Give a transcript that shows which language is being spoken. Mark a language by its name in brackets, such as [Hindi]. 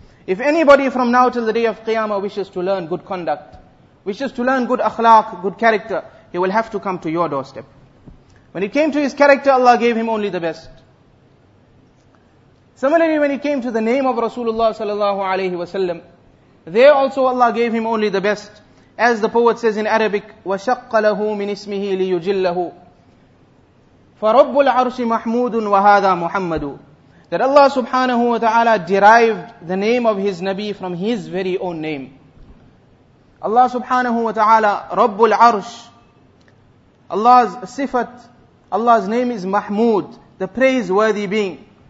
[English] If anybody from now till the day of Qiyamah wishes to learn good conduct, wishes to learn good akhlaq, good character, he will have to come to your doorstep. When it came to his character, Allah gave him only the best. Similarly, when it came to the name of Rasulullah sallallahu alayhi wa sallam, there also Allah gave him only the best. As the poet says in Arabic, [Arabic] وَشَقَّ لَهُ مِنْ إِسْمِهِ لِيُجِلَّهُ فَرَبُّ الْعَرْشِ مَحْمُودٌ وَهَذَا مُحَمَّدُ. [English] That Allah subhanahu wa ta'ala derived the name of his Nabi from his very own name. Allah subhanahu wa ta'ala, [Arabic] رَبُّ الْعَرْشِ, [English] Allah's sifat, Allah's name is Mahmud, the praiseworthy being.